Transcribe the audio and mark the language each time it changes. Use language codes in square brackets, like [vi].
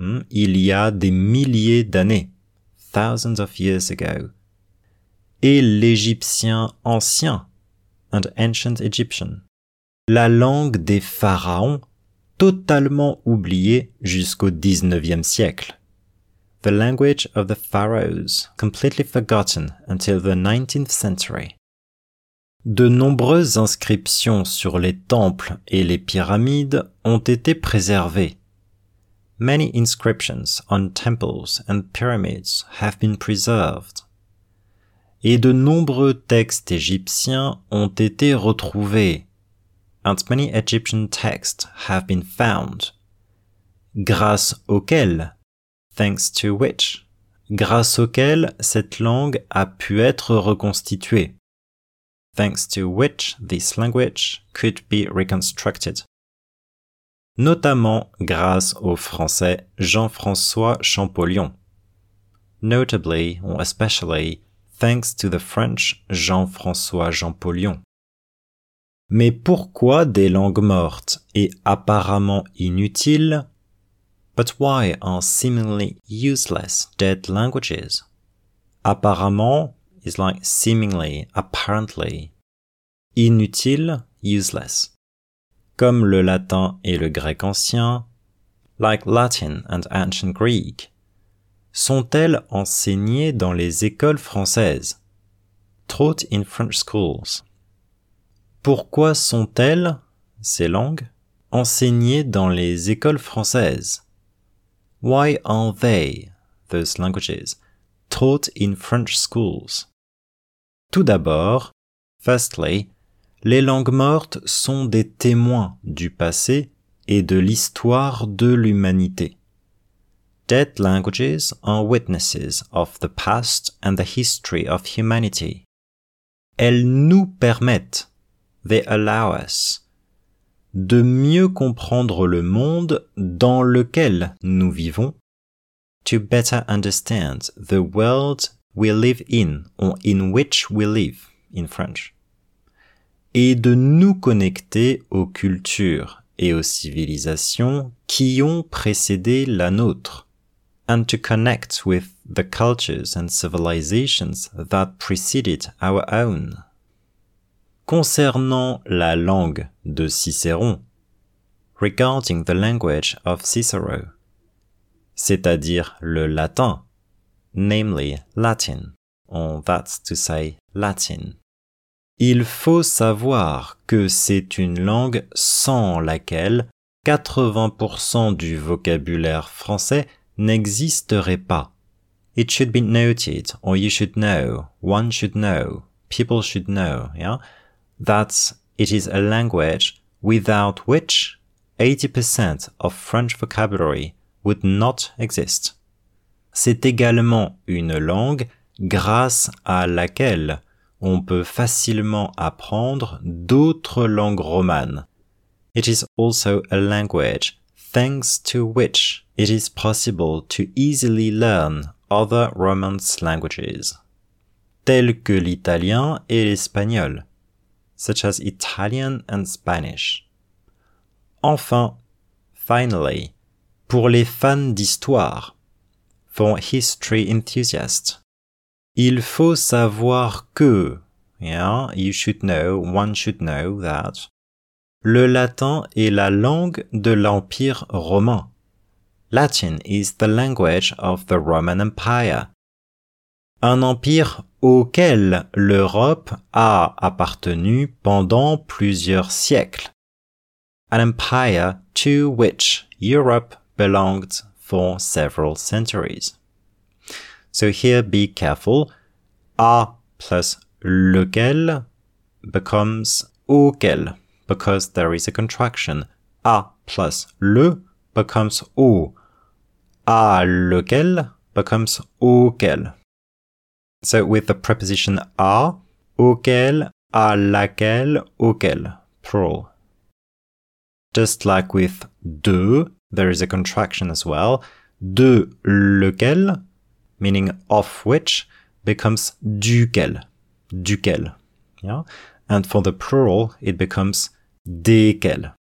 [fr] Il y a des milliers d'années, [en] thousands of years ago. [fr] Et l'Égyptien ancien, [en] and ancient Egyptian, [fr] la langue des pharaons, totalement oubliée jusqu'au 19e siècle. [en] the language of the pharaohs, completely forgotten until the 19th century. [fr] De nombreuses inscriptions sur les temples et les pyramides ont été préservées. [en] Many inscriptions on temples and pyramids have been preserved. [fr] Et de nombreux textes égyptiens ont été retrouvés. [en] And many Egyptian texts have been found. [fr] Grâce auxquels, [en] thanks to which, [fr] grâce auxquels cette langue a pu être reconstituée. [en] Thanks to which this language could be reconstructed. [fr] Notamment grâce au français Jean-François Champollion. [en] Notably, or especially, thanks to the French Jean-François Champollion. [fr] Mais pourquoi des langues mortes et apparemment inutiles? [en] But why are seemingly useless dead languages? [fr] Apparemment [en] is like seemingly, apparently. [fr] Inutile, [en] useless. [fr] Comme le latin et le grec ancien, [en] like Latin and ancient Greek, [fr] sont-elles enseignées dans les écoles françaises? [en] Taught in French schools. [fr] Pourquoi sont-elles, ces langues, enseignées dans les écoles françaises? [en] Why are they, those languages, taught in French schools? [fr] Tout d'abord, [en] firstly, [fr] les langues mortes sont des témoins du passé et de l'histoire de l'humanité. [en] Dead languages are witnesses of the past and the history of humanity. [fr] Elles nous permettent, [en] they allow us, [fr] de mieux comprendre le monde dans lequel nous vivons, [en] to better understand the world we live in, or in which we live, in French, [fr] et de nous connecter aux cultures et aux civilisations qui ont précédé la nôtre, [en] and to connect with the cultures and civilizations that preceded our own. [fr] Concernant la langue de Cicéron, [en] regarding the language of Cicero, [fr] c'est-à-dire le latin, [en] namely Latin, or that's to say Latin, [fr] il faut savoir que c'est une langue sans laquelle 80% du vocabulaire français n'existerait pas. [en] It should be noted, or you should know, one should know, people should know, yeah, that it is a language without which 80% of French vocabulary would not exist. [fr] C'est également une langue grâce à laquelle on peut facilement apprendre d'autres langues romanes. [en] It is also a language thanks to which it is possible to easily learn other Romance languages, [fr] tels que l'italien et l'espagnol, [en] such as Italian and Spanish. [fr] Enfin, [en] finally, [fr] pour les fans d'histoire, [en] for history enthusiasts, [fr] il faut savoir que, [en] yeah, you should know, one should know that, [fr] le latin est la langue de l'Empire romain. [en] Latin is the language of the Roman Empire. [fr] Un empire auquel l'Europe a appartenu pendant plusieurs siècles. [en] An empire to which Europe belonged for several centuries. So here be careful. A plus lequel becomes auquel, because there is a contraction. A plus le becomes au. À lequel becomes auquel. So with the preposition à, [fr] auquel, à laquelle, auquel, [en] plural. Just like with de, there is a contraction as well. [fr] De lequel, [en] meaning of which, becomes duquel, [fr] duquel. [en] Yeah? And for the plural, it becomes desquels.